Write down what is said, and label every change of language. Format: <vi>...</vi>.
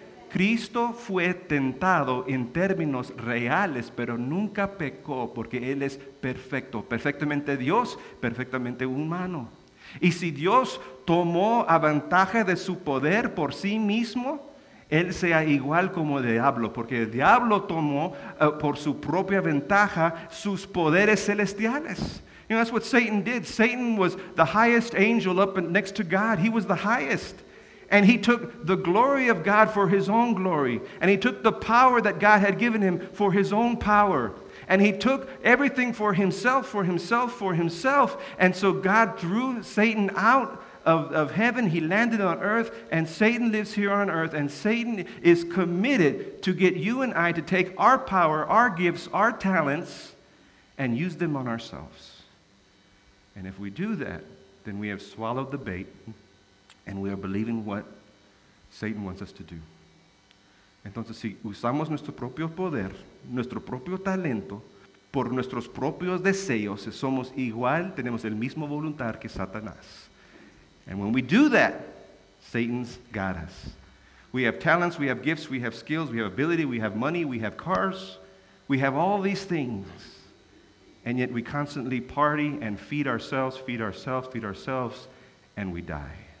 <es>Cristo fue tentado en términos reales, pero nunca pecó, porque Él es perfecto, perfectamente Dios, perfectamente humano. Y si Dios tomó ventaja de su poder por sí mismo, Él sea igual como el diablo, porque el diablo tomó por su propia ventaja sus poderes celestiales.</es> <en>You know, that's what Satan did. Satan was the highest angel up next to God. He was the highest. And he took the glory of God for his own glory. And he took the power that God had given him for his own power. And he took everything for himself, for himself, for himself. And so God threw Satan out of heaven. He landed on earth, and Satan lives here on earth. And Satan is committed to get you and I to take our power, our gifts, our talents, and use them on ourselves. And if we do that, then we have swallowed the bait, and we are believing what Satan wants us to do.</en> <es>Entonces, si usamos nuestro propio poder, nuestro propio talento, por nuestros propios deseos, somos igual, tenemos el mismo voluntad que Satanás.</es> <en>And when we do that, Satan's got us. We have talents, we have gifts, we have skills, we have ability, we have money, we have cars, we have all these things. And yet we constantly party and feed ourselves, feed ourselves, feed ourselves, and we die.</en>